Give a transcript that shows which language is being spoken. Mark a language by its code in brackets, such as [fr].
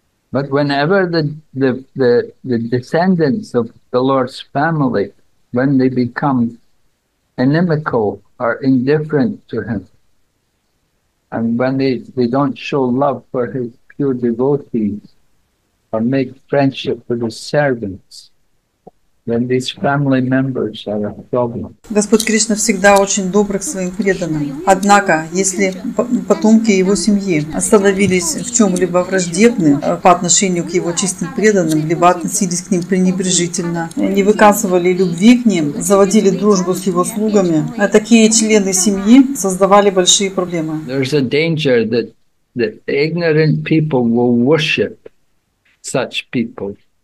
[en] But whenever the descendants of the Lord's family, when they become inimical or indifferent to him, and when they don't show love for his pure devotees, or make friendship with his servants, then these family members are a problem. [ru] Господь Кришна всегда очень добр к своим преданным. Однако, если потомки его семьи остановились в чем-либо враждебны по отношению к его чистым преданным, либо относились к ним пренебрежительно, не выказывали любви к ним, заводили дружбу с его слугами, такие члены семьи создавали большие проблемы. [en] There's a danger that ignorant people will worship such people.